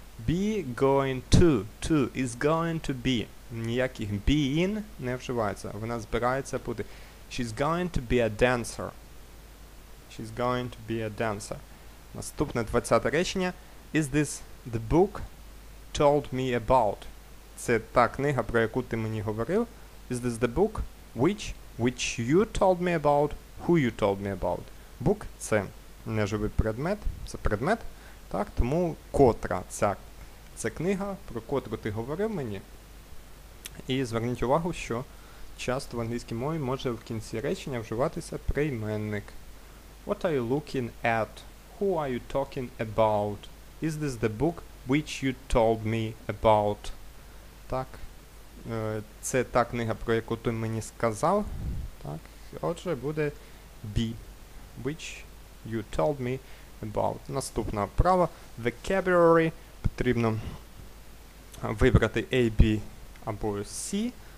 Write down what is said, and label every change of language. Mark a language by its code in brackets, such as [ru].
[en] Be going to, is going to be. [uk] Ніяких being не вживається. Вона збирається бути. [en] She's going to be a dancer. She's going to be a dancer. [uk] Наступне 20-те речення. [en] Is this the book told me about? [uk] Це та книга, про яку ти мені говорив. [en] Is this the book which... Which you told me about, who you told me about. [uk] Book – це неживий предмет, це предмет, так, тому котра – це книга, про котру ти говорив мені. І зверніть увагу, що часто в англійській мові може в кінці речення вживатися прийменник. [en] What are you looking at? Who are you talking about? Is this the book which you told me about? [uk] Так. Це та книга, про яку ти мені сказав. Так. Отже, буде [en] be, which you told me about. [uk] Наступна вправа. Vocabulary. Потрібно вибрати A, B або C.